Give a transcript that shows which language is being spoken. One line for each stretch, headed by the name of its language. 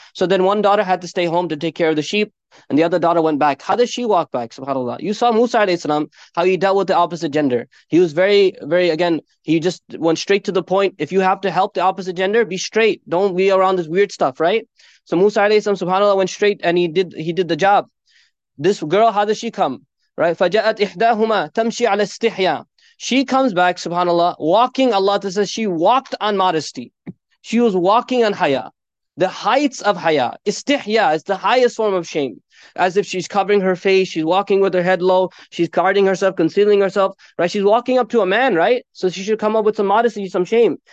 English: So then one daughter had to stay home to take care of the sheep, and the other daughter went back. How does she walk back? SubhanAllah. You saw Musa alayhi salam, how he dealt with the opposite gender. He was very, very, again, he just went straight to the point. If you have to help the opposite gender, be straight. Don't be around this weird stuff, right? So Musa alayhi salam, subhanAllah, went straight and he did the job. This girl, how does she come?
Arabic: Right, فَجَاءَتْ إِحْدَاهُمَا تَمْشِي عَلَى اسْتِحْيَا.
English: She comes back, subhanAllah, walking. Allah says she walked on modesty. She was walking on haya. The heights of haya, istihya, is the highest form of shame. As if she's covering her face, she's walking with her head low, she's guarding herself, concealing herself, right? She's walking up to a man, right? So she should come up with some modesty, some shame.